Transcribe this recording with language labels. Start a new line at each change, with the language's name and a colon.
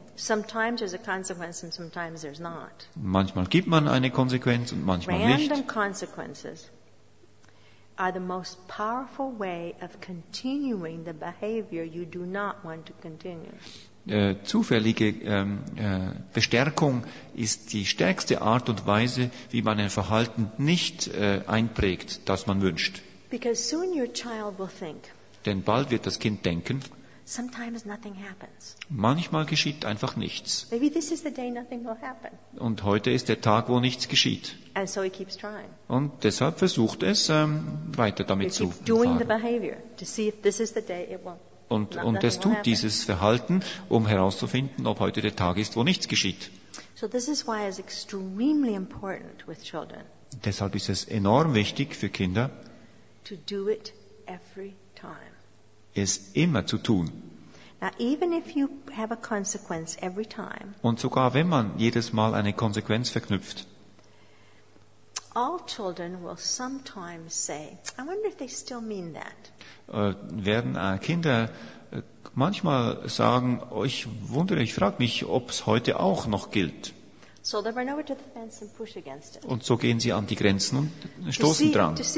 English: Sometimes there's a consequence and sometimes there's not.
German: Manchmal gibt man eine Konsequenz und manchmal
English: random
German: nicht.
English: Random consequences are the most powerful way of continuing the behavior you do not want to continue.
German: Zufällige Bestärkung ist die stärkste Art und Weise, wie man ein Verhalten nicht einprägt, das man wünscht.
English: Because soon your child will think,
German: denn bald wird das Kind denken,
English: sometimes nothing happens.
German: Manchmal geschieht einfach nichts.
English: Maybe this is the day nothing will happen.
German: Und heute ist der Tag, wo nichts geschieht.
English: And so he keeps trying.
German: Und deshalb versucht es, weiter damit zu fahren.
English: Doing the behavior to see if this is the day it will.
German: Und es tut dieses Verhalten, um herauszufinden, ob heute der Tag ist, wo nichts geschieht.
English: So this is why it's extremely important with children.
German: Deshalb ist es enorm wichtig für Kinder,
English: to do it every time.
German: Es immer zu tun.
English: Now, even if you have a consequence every time,
German: und sogar wenn man jedes Mal eine Konsequenz verknüpft,
English: all children will sometimes say, I wonder if they still mean that.
German: Werden Kinder manchmal sagen, oh, ich wundere, ich frage mich, ob es heute auch noch gilt.
English: So they run over to the fence and push against it.
German: Und so gehen sie an die Grenzen und stoßen dran.